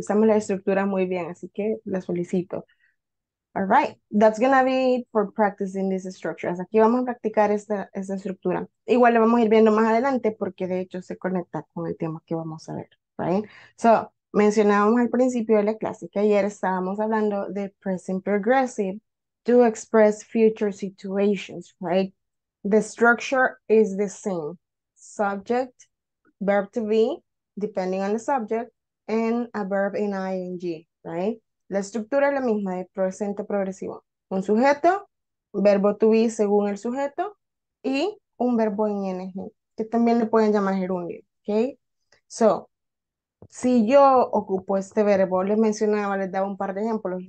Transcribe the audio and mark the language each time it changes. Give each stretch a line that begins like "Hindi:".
Spanish: Usamos la estructura muy bien, así que las felicito.
English: All right, that's going to be it for practicing these structures.
Spanish: Aquí vamos a practicar esta estructura. Igual lo vamos a ir viendo más adelante porque de hecho se conecta con el tema que vamos a ver. Right? So, mencionábamos al principio de la clase que ayer estábamos hablando de
English: present progressive to express future situations,
Spanish: right?
English: The structure is the same. Subject, verb to be, depending on the subject, and a verb in ing, right?
Spanish: La estructura es la misma de presente progresivo. Un sujeto, verbo to be según el sujeto, y un verbo en ing, que también le pueden llamar gerundio, okay? So, si yo ocupo este verbo, les mencionaba, les daba un par de ejemplos.